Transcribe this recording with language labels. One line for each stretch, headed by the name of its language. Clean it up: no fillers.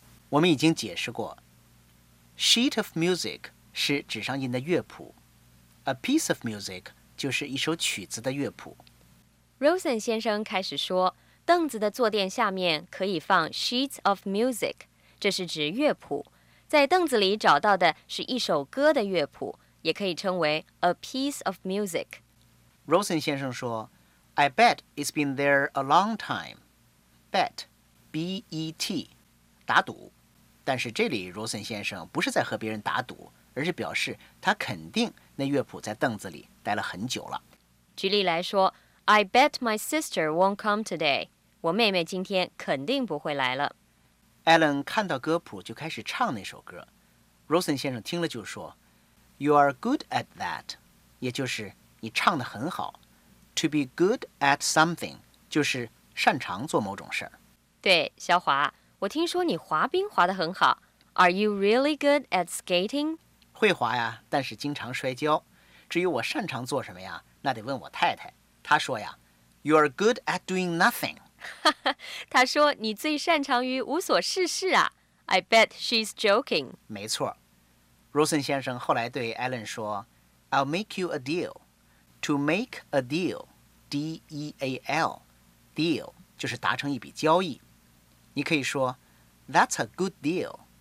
Chinese: 我们已经解释过 ，
English: sheet of music
Chinese: 是纸上印的乐谱 ，
English: a piece of music
Chinese: 就是一首曲子的乐谱。 Rosen 先生开始说，凳子的坐垫下面可以放
English: sheets of music，
Chinese: 这是指乐谱。在凳子里找到的是一首歌的乐谱，也可以称为
English: a piece of music。 Rosen
Chinese: 先生说
English: ，I bet it's been there a long time. Bet, B-E-T，
Chinese: 打赌。但是这里 Rosen 先生不是在和别人打赌，而是表示他肯定那乐谱在凳子里待了很久了。举例来说。
English: I bet my sister won't come today.
Chinese: 我妹妹今天肯定不会来了。 Alan 看到歌谱就开始唱那首歌。
English: Rosen
Chinese: 先生听了就说
English: You are good at that.
Chinese: 也就是你唱得很好。
English: To be good at something
Chinese: 就是擅长做某种事。对，小华，我听说你滑冰滑得很好。
English: Are you really good at skating?
Chinese: 会滑呀，但是经常摔跤。至于我擅长做什么呀，那得问我太太。他说呀
English: ，You are good at doing nothing.
Chinese: 他说你最擅长于无所事事啊。
English: I bet she's joking.
Chinese: 没错 ，Rosen 先生后来对 Alan 说 ，
English: I'll make you a deal. To make a deal, D-E-A-L, deal
Chinese: 就是达成一笔交易。你可以说
English: ，That's a good deal.